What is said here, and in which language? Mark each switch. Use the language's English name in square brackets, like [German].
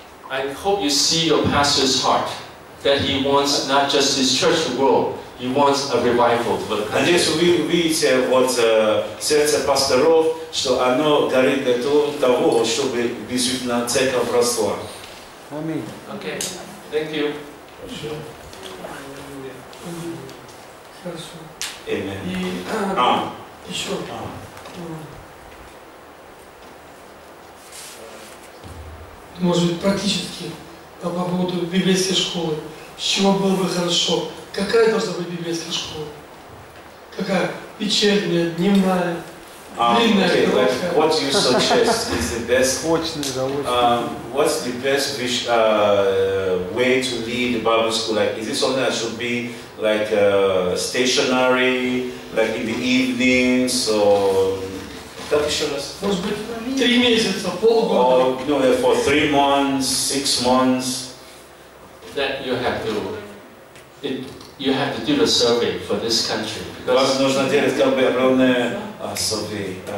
[English] I hope you see your pastor's heart, that he wants not just his church to grow, he wants a revival for the country. [Russian] Надеюсь, вы увидите вот сердце пасторов, что оно горит для того, чтобы действительно церковь росла. [English] Okay, thank you. [Russian] Хорошо. [English] Amen. [Russian] И еще. Может быть, практически по поводу библейской школы. С чего было бы хорошо? Какая должна быть библейская школа? Какая? Вечерняя, дневная, длинная, [English] okay, [Russian] короткая? [English] Like, what you suggest is the best... [Russian] Очная, да, очная. [English] What's the best way to lead the Bible school? Like, is it something that should be like stationary, like in the evenings, or that [Russian] еще раз? Может быть, 3 месяца, полгода. [English] Or, no, for 3 months, 6 months. That you have to, you have to do a survey for this country. [Russian] Вам нужно делать как бы огромное survey.